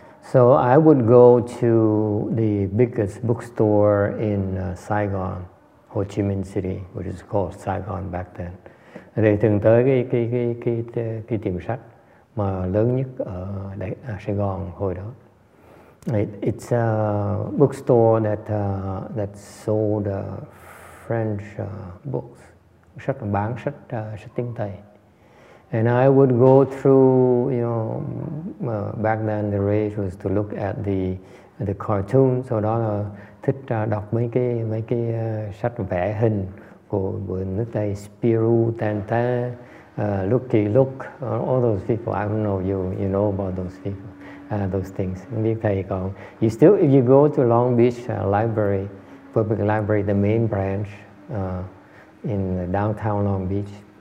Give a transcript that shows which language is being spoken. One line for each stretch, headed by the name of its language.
English: So I would go to the biggest bookstore in Saigon, Ho Chi Minh City, which is called Saigon back then.
Vietnamese: Thì thường tới cái tiệm sách mà lớn nhất ở Sài Gòn hồi đó.
English: It's a bookstore that sold French books,
Vietnamese: sách bán sách sách tiếng Tây.
English: And I would go through, you know, back then the rage was to look at the cartoons.
Vietnamese: So đó là thích đọc mấy cái sách vẽ hình của nước Tây, Spirou, Tintin, Lucky Luke,
English: all those people. I don't know if you know about those people, those things.
Vietnamese: Biết thầy còn.
English: You still, if you go to Long Beach Library, Public Library, the main branch in downtown Long Beach.